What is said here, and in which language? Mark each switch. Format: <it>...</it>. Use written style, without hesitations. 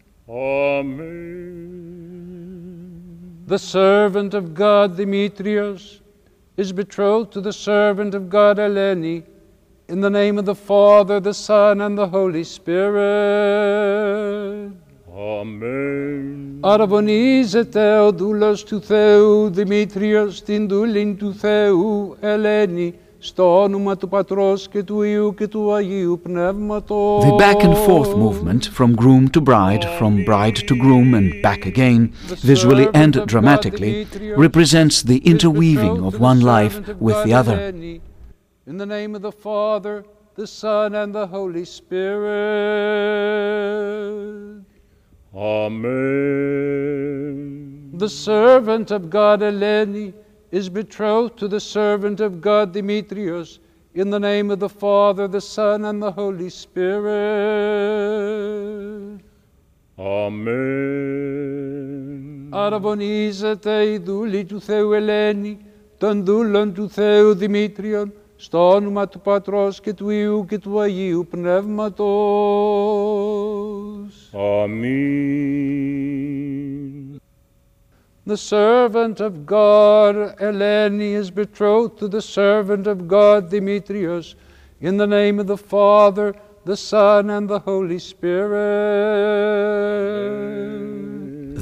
<en>Amen. The servant of God, Demetrios, is betrothed to the servant of God, Eleni, in the name of the Father, the Son, and the Holy Spirit. Amen.</en> <el>Arabonize Theo doulos tu Theu, Demetrios, tin doulin tu Theu, Eleni, στο όνομα του Πατρός και του Υιού και του Αγίου Πνεύματος.</el> <en>The back and forth movement from groom to bride, from bride to groom and back again, visually and dramatically, represents the interweaving of one life with the other. In the name of the Father, the Son, and the Holy Spirit. Amen. The servant of God, Eleni, is betrothed to the servant of God, Demetrios, in the name of the Father, the Son, and the Holy Spirit. Amen.</en> <el>Αραβωνίζεται η δούλη του Θεού Ελένη, των δούλων του Θεού Δημήτριον, στο όνομα του Πατρός και του Υιού και του Αγίου Πνεύματος. Αμήν.</el> <en>The servant of God, Eleni, is betrothed to the servant of God, Demetrios, in the name of the Father, the Son, and the Holy Spirit.</en>